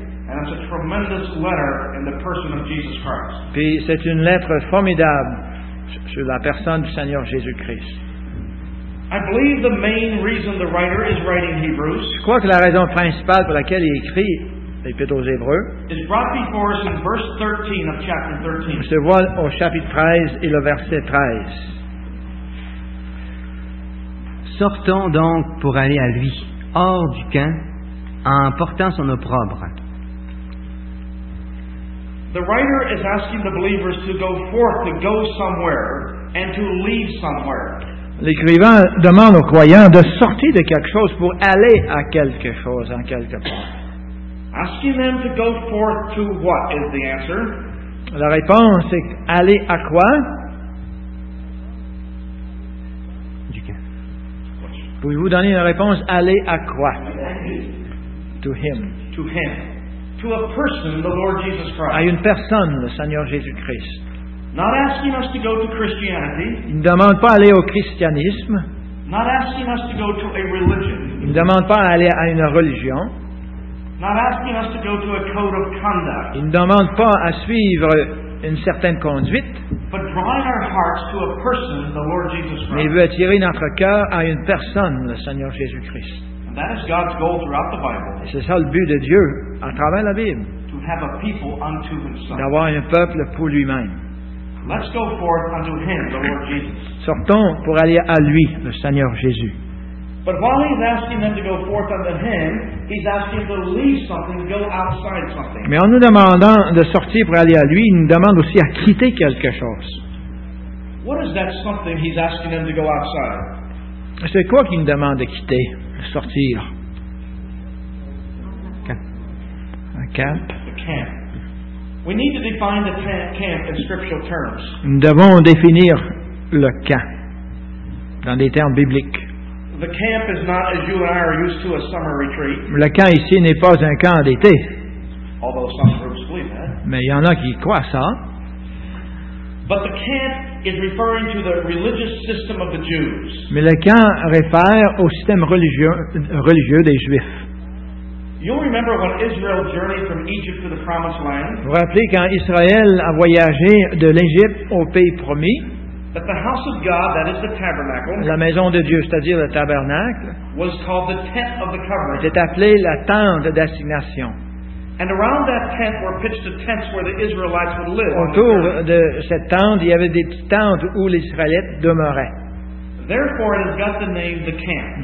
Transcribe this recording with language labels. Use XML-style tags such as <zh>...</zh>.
<en>And it's a tremendous letter in the person of Jesus Christ.</en> <fr>Puis c'est une lettre formidable sur la personne du Seigneur Jésus-Christ.</fr> <en>I believe the main reason the writer is writing Hebrews.</en> <fr>Je crois que la raison principale pour laquelle il écrit l'Épître aux Hébreux</fr> <en>is brought before us in verse 13 of chapter 13.</en> <fr>Se voit au chapitre 13 et le verset 13. Sortons donc pour aller à lui, hors du camp, en portant son opprobre.</fr> <en>The writer is asking the believers to go forth, to go somewhere, and to leave somewhere.</en> <fr>L'écrivain demande aux croyants de sortir de quelque chose pour aller à quelque chose, en quelque part.</fr> <en>Asking them to go forth to what is the answer?</en> <fr>La réponse est aller à quoi? Du camp. Pouvez-vous donner une réponse? Aller à quoi?</fr> <en>To him. To him. To a person, the Lord Jesus Christ.</en> <fr>À une personne, le Seigneur Jésus-Christ.</fr> <en>Not asking us to go to Christianity.</en> <fr>Il ne demande pas aller au christianisme.</fr> <en>Not asking us to go to a religion.</en> <fr>Il ne demande pas aller à une religion.</fr> <en>Not asking us to go to a code of conduct.</en> <fr>Il ne demande pas à suivre une certaine conduite.</fr> <en>But drawing our hearts to a person, the Lord Jesus Christ.</en> <fr>Mais il veut attirer notre cœur à une personne, le Seigneur Jésus-Christ.</fr> <en>That is God's goal throughout the Bible.</en> <fr>Et c'est ça le but de Dieu à travers la Bible.</fr> <en>To have a people unto himself.</en> <fr>D'avoir un peuple pour lui-même.</fr> <en>Let's go forth unto him, the Lord Jesus.</en> <fr>Sortons pour aller à lui, le Seigneur Jésus.</fr> <en>But while he's asking them to go forth unto him, he's asking them to leave something, go outside something.</en> <fr>Mais en nous demandant de sortir pour aller à lui, il nous demande aussi à quitter quelque chose.</fr> <en>What is that something he's asking them to go outside?</en> <fr>C'est quoi qu'il nous demande de quitter, de sortir?</fr> <en>Camp.</en> <fr>Un camp.</fr> <en>A camp. We need to define the camp in scriptural terms.</en> <fr>Nous devons définir le camp dans des termes bibliques.</fr> <en>The camp is not as you and I are used to a summer retreat.</en> <fr>Le camp ici n'est pas un camp d'été.</fr> <en>Although some groups believe that.</en> <fr>Mais il y en a qui croient ça.</fr> <en>But the camp is referring to the religious system of the Jews.</en> <fr>Mais le camp réfère au système religieux des Juifs.</fr> <en>You'll remember when Israel journeyed from Egypt to the Promised Land.</en> <fr>Vous vous rappelez quand Israël a voyagé de l'Égypte au pays promis?</fr> <en>That the house of God, that is the tabernacle,</en> <fr>la maison de Dieu, c'est-à-dire le tabernacle,</fr> <en>was called the tent of the covenant.</en> <fr>Était appelée la tente d'assignation.</fr> <en>And around that tent were pitched the tents where the Israelites would live.</en> <fr>Autour de cette tente, il y avait des petites tentes où les Israélites demeuraient.</fr> <en>Therefore, it has got the name the camp.</en>